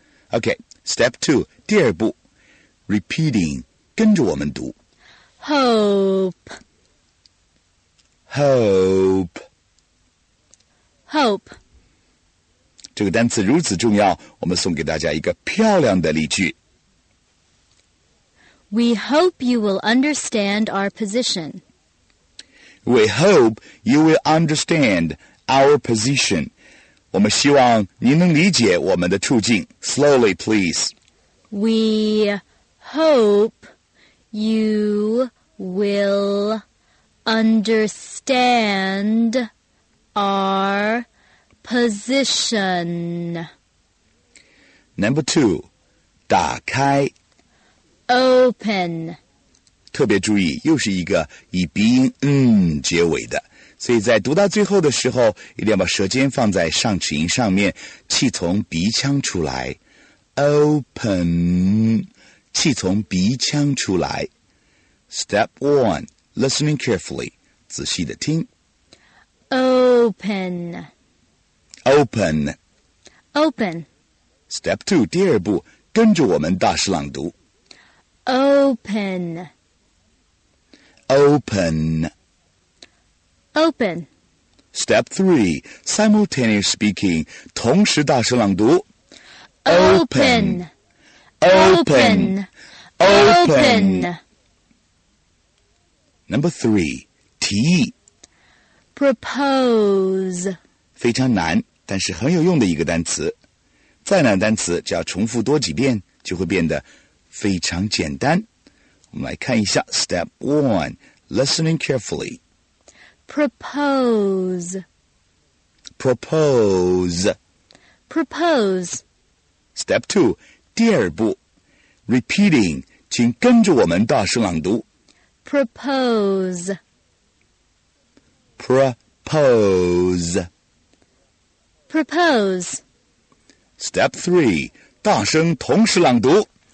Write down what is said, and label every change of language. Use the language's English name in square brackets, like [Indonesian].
[English] OK， step two， [Chinese] 第二步 [English] Repeating， [Chinese] 跟着我们读 [English] Hope Hope. Hope. [Chinese] 这个单词如此重要，我们送给大家一个漂亮的例句。 [English] We hope you will understand our position. We hope you will understand our position. [Chinese] 我们希望您能理解我们的处境。 [English] Slowly, please. We hope you will understand our position. Number two, [Chinese] 打开。 [English] Open. [Chinese] 特别注意，又是一个以鼻音结尾的，所以在读到最后的时候，一定要把舌尖放在上齿龈上面，气从鼻腔出来。 Open. 气从鼻腔出来。 [English] Step one, listening carefully. [Chinese] 仔细的听。 [English] Open. Open. Open. Step two, [Chinese] 第二步，跟着我们大声朗读。 [English] Open. Open. Open. Step three, simultaneous speaking, [Chinese] 同时大声朗读。 [English] Open. Open. Open. Number three, 提议。 Propose. [Chinese] 非常难，但是很有用的一个单词。再难单词，只要重复多几遍，就会变得非常简单。我们来看一下 [English] Step one, listening carefully. Propose. Propose. Propose. Step two, [Chinese] 第二步。 Repeating, 请跟着我们大声朗读。 [English] Propose. Propose. Propose. Step three, [Chinese] 大声同时朗读。